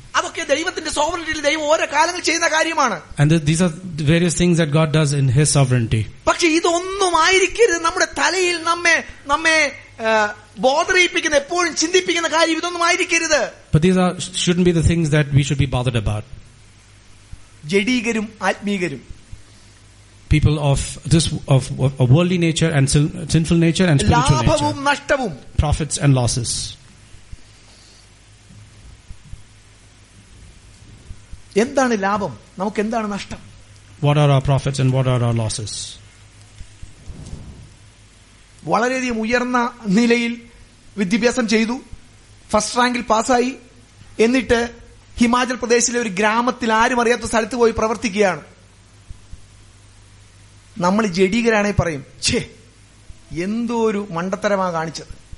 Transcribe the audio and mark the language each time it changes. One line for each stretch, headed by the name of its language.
Malayalam: അതൊക്കെ ദൈവത്തിന്റെ സോവറിറ്റിയിൽ ദൈവം ഓരോ കാലങ്ങൾ ചെയ്യുന്ന കാര്യമാണ്.
English: And these are the various things that God does in his sovereignty.
Malayalam: പക്ഷേ ഇതൊന്നും ആയിരിക്കരുത് നമ്മുടെ തലയിൽ നമ്മെ ബോധരിപ്പിക്കുന്ന, എപ്പോഴും ചിന്തിപ്പിക്കുന്ന കാര്യം. ഇതൊന്നും ആയിരിക്കരുത്.
English: But these are, shouldn't be the things that we should be bothered about.
Malayalam: ജഡീകരും ആത്മീകരും,
English: people of this of a worldly nature and sinful nature and spiritual nature,
Malayalam: ലാഭവും നഷ്ടവും,
English: profits and losses.
Malayalam: എന്താണ് ലാഭം, നമുക്ക് എന്താണ് നഷ്ടം?
English: What are our profits and what are our losses?
Malayalam: വളരെയധികം ഉയർന്ന നിലയിൽ വിദ്യാഭ്യാസം ചെയ്തു, ഫസ്റ്റ് റാങ്കിൽ പാസായി. എന്നിട്ട് ഹിമാചൽ പ്രദേശിലെ ഒരു ഗ്രാമത്തിൽ ആരും അറിയാത്ത സ്ഥലത്ത് പോയി പ്രവർത്തിക്കുകയാണ്. നമ്മൾ ജഡീകരാണെങ്കിൽ പറയും, ഛേ, എന്തോ ഒരു മണ്ടത്തരമാ കാണിച്ചത്.